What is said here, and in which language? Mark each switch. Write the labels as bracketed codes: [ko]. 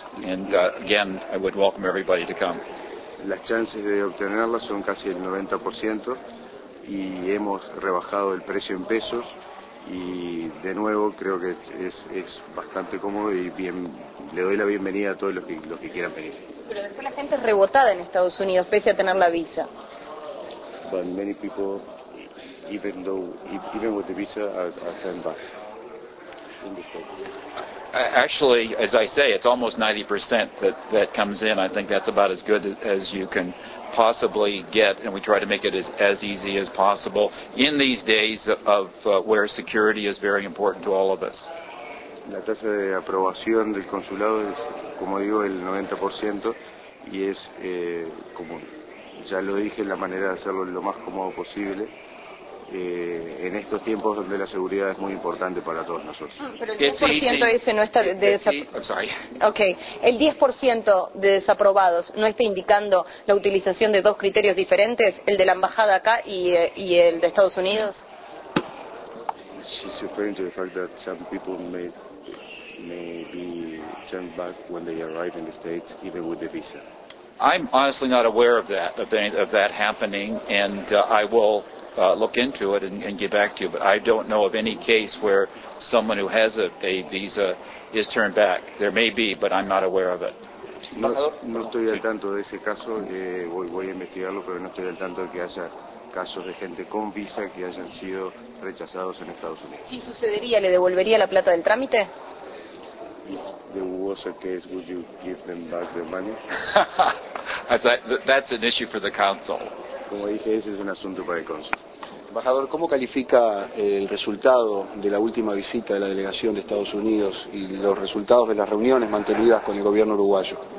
[en] And again, I would welcome everybody to come. [es] Las chances de obtenerla son casi el 90%, y hemos rebajado el precio en pesos, y de nuevo creo que es bastante cómodo, y bien, le doy la bienvenida a todos los que quieran venir. Pero después la gente es rebotada en Estados Unidos, pese a tener la visa. [en] But many people, even with the visa, are turned back in the States. Actually, as I say, it's almost 90% that comes in. I think that's about as good as you can possibly get, and we try to make it as easy as possible in these days of where security is very important to all of us. [es] La tasa de aprobación del consulado es, como digo, el 90%, y es, como ya lo dije, la manera de hacerlo lo más cómodo posible en estos tiempos donde la seguridad es muy importante para todos nosotros. Pero el 10% ese no está de desaprobado. [en] Okay. [es] El 10% de desaprobados no está indicando la utilización de dos criterios diferentes, el de la embajada acá y el de Estados Unidos. [en] She's referring to the fact that some people may be turned back when they arrive in the States, even with the visa. I'm honestly not aware of that happening, and I will look into it and get back to you. But I don't know of any case where someone who has a visa is turned back. There may be, but I'm not aware of it. [es] No estoy al tanto de ese caso. Voy a investigarlo, pero no estoy al tanto de que haya casos de gente con visa que hayan sido rechazados en Estados Unidos. Si sucedería, ¿le devolvería la plata del trámite? [en] There was a case, would you give them back the money? That's an issue for the council. [es] Como dije, ese es un asunto para el consul. Embajador, ¿cómo califica el resultado de la última visita de la delegación de Estados Unidos y los resultados de las reuniones mantenidas con el gobierno uruguayo?